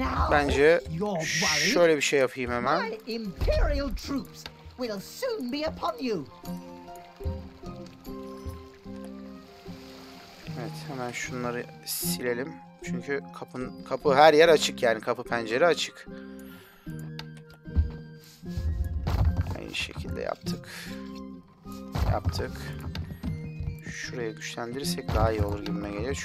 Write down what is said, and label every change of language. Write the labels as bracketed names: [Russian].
[Turkish] Bence şöyle bir şey yapayım hemen. [English] Imperial troops will soon be upon you. [Turkish] Evet, hemen şunları silelim. Çünkü kapı her yer açık yani. Kapı pencere açık. Aynı şekilde yaptık. Yaptık. Şuraya güçlendirirsek daha iyi olur gibime geliyor.